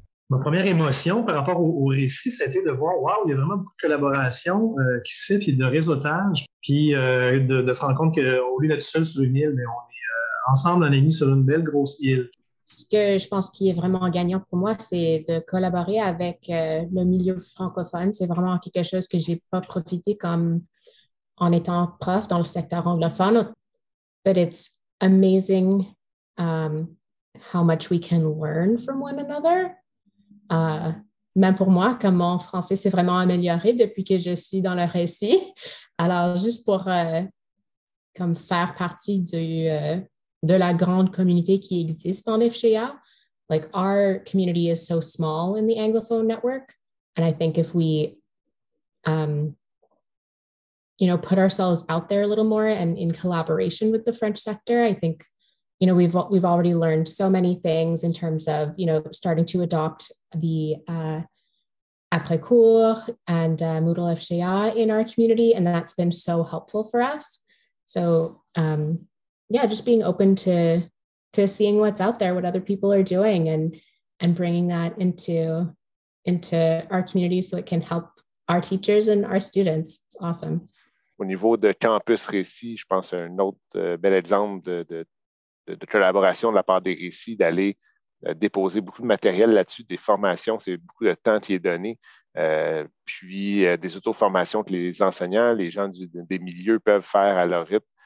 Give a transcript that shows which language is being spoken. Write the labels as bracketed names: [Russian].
[French] Ma première émotion par rapport au récit, c'était de voir, waouh, il y a vraiment beaucoup de collaboration qui se fait, puis de réseautage, puis de se rendre compte qu'au lieu d'être seul sur une île, mais on est ensemble, on est mis sur une belle grosse île. Ce que je pense qui est vraiment gagnant pour moi, c'est de collaborer avec le milieu francophone. C'est vraiment quelque chose que je n'ai pas profité comme en étant prof dans le secteur anglophone. [English] But it's amazing how much we can learn from one another. [French] Même pour moi, comme mon français s'est vraiment amélioré depuis que je suis dans le récit. Alors, juste pour comme faire partie de la grande communauté qui existe en FGA. [English] Like, our community is so small in the Anglophone network. And I think if we, put ourselves out there a little more and in collaboration with the French sector, I think, you know, we've already learned so many things in terms of, you know, starting to adopt the après-cours and Moodle FGA in our community. And that's been so helpful for us. So, yeah, just being open to seeing what's out there, what other people are doing, and bringing that into our community so it can help our teachers and our students. It's awesome. [French] Au niveau de Campus Récits, je pense que c'est un autre bel exemple de collaboration de la part des récits, d'aller déposer beaucoup de matériel là-dessus, des formations, c'est beaucoup de temps qui est donné, puis des auto-formations que les enseignants, les gens des milieux peuvent faire à leur rythme.